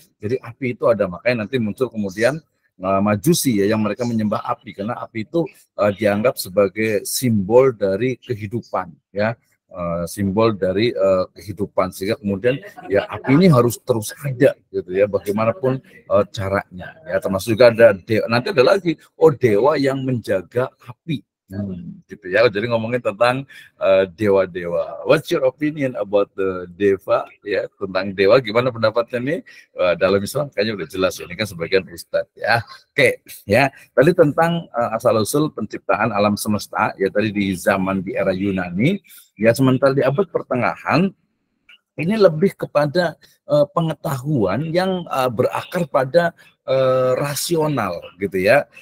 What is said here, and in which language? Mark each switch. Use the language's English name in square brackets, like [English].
[Indonesian] Jadi api itu ada, makanya nanti muncul kemudian Majusi ya, yang mereka menyembah api karena api itu dianggap sebagai simbol dari kehidupan ya. Simbol dari kehidupan, sehingga kemudian ya api ini harus terus ada gitu ya, bagaimanapun caranya ya. Termasuk juga ada nanti ada lagi dewa yang menjaga api. Gitu ya. Jadi ngomongin tentang dewa-dewa. [English] What's your opinion about the deva? [Indonesian] Ya, tentang dewa gimana pendapatnya nih? Dalam Islam kayaknya udah jelas ini kan sebagian ustaz ya. Oke, okay, ya. Tadi tentang asal-usul penciptaan alam semesta ya, tadi di zaman di era Yunani, ya sementara di abad pertengahan ini lebih kepada pengetahuan yang berakar pada rasional gitu ya.